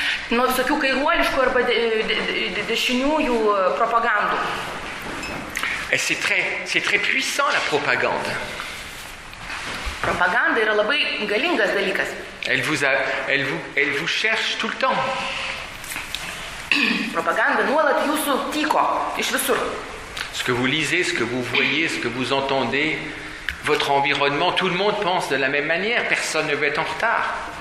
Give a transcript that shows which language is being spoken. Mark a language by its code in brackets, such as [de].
[lt] nuo visokių kairuoliškų arba dešiniųjų propagandų. [fr] Et c'est très puissant la propagande. [lt] Propaganda yra labai galingas dalykas. [fr] Elle vous cherche tout le temps. [lt] Propaganda nuolat jūsų tyko iš visur. [fr] Ce que vous lisez, ce que vous voyez, ce que vous entendez, votre environnement, tout le monde pense de la même manière, personne ne veut être en retard.